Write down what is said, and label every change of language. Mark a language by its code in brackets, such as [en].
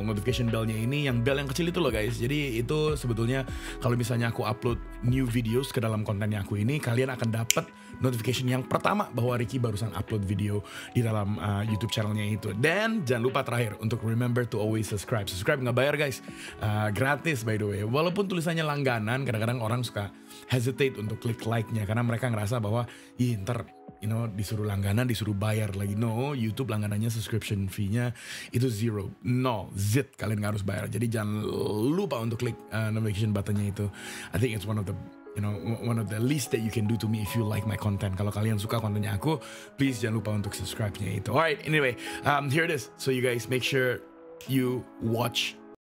[id] Notification bellnya ini yang bell yang kecil itu loh guys. Jadi itu sebetulnya kalau misalnya aku upload new videos ke dalam kontennya aku ini, kalian akan dapat notification yang pertama bahwa Ricky barusan upload video di dalam YouTube channelnya itu. Dan jangan lupa terakhir untuk [en] remember to always subscribe. [id] Subscribe nggak bayar guys, gratis [en] by the way. [id] Walaupun tulisannya langganan, kadang-kadang orang suka hesitate untuk klik like-nya karena mereka ngerasa bahwa ih ntar, [en] you know, [id] disuruh langganan, disuruh bayar lagi. No, YouTube langganannya, subscription fee-nya itu zero, no, zit, kalian gak harus bayar. Jadi jangan lupa untuk klik notification button-nya itu. [en] I think it's one of the, you know, one of the least that you can do to me if you like my content. [id] Kalau kalian suka kontennya aku, please jangan lupa untuk subscribe-nya itu. [en] Alright, anyway, here it is. So you guys, make sure you watch.